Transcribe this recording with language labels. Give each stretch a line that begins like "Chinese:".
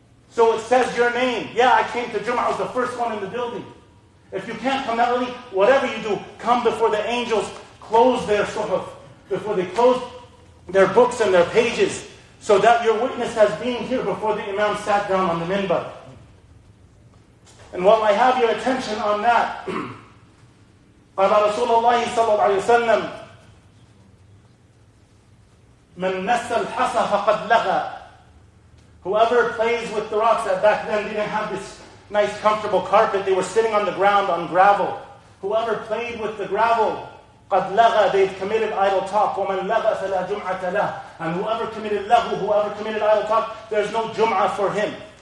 English: So it says your name. Yeah, I came to Jum'ah. I was the first one in the building. If you can't come that early, whatever you do, come before the angels close their suhuf, before they close their books and their pages, so that your witness has been here before the imam sat down on the minbar. And while I have your attention on that,
Arabic: قَالَ رَسُولَ اللَّهِ صَلَّى اللَّهُ عَلَيْهِ وَسَلَّمْ مَنْ نَسَّ الْحَصَى فَقَدْ لَغَى
English: Whoever plays with the rocks, that back then didn't have this nice comfortable carpet, they were sitting on the ground on gravel. Whoever played with the gravel,
Arabic: قَدْ لَغَى,
English: they've committed idle talk.
Arabic: وَمَنْ لَغَى فَلَا جُمْعَةَ لَهُ.
English: And whoever committed لَغُ, whoever committed idle talk, there's no jum'ah for him.